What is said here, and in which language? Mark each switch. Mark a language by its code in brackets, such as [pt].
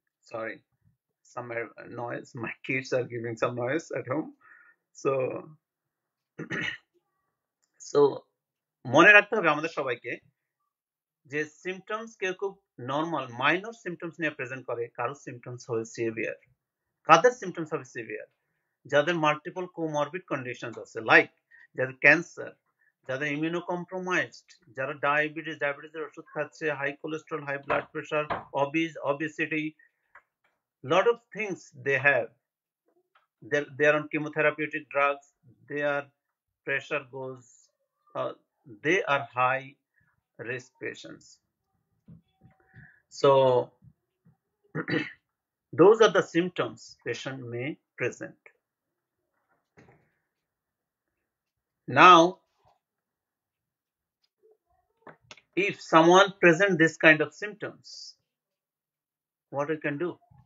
[en] Sorry, some noise. My kids are giving some noise at home. [bn] So, মনে রাখতে হবে আমাদের সবাইকে যে সিমটমস কেউ খুব নর্মাল মাইনর সিমটমস নিয়ে প্রেজেন্ট করে, কারো সিমটমস হবে সিভিয়ার, কাদের সিমটমস হবে সিভিয়ার, যাদের মাল্টিপল কোমরবিড কন্ডিশনস আছে, লাইক যাদের ক্যান্সার, যাদের ইমিউনো কম্প্রোমাইজড, যারা ডায়াবেটিস, ডায়াবেটিসের ওষুধ খাচ্ছে, high cholesterol, high blood pressure, অবিজ, obesity, [en] Lot of things they have, they are on chemotherapeutic drugs, they are pressure goes, they are high risk patients. So those are the symptoms patient may present. Now if someone present this kind of symptoms, what we can do?